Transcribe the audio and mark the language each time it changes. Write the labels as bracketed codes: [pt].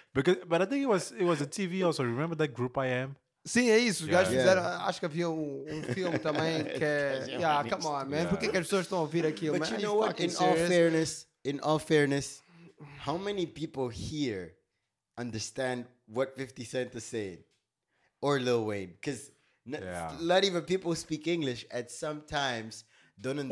[en] Because, but I think it was a TV also. Remember that group I am? [pt] Sim, é isso. Os gajos fizeram. Acho que havia um filme também que é. [en] Yeah, come on, man. [pt] Por que as pessoas estão a ouvir aquilo? [en] But you know what? In all fairness, how many people here understand what 50 Cent is saying? Or Lil Wayne? Because not even people who speak English at some times don't understand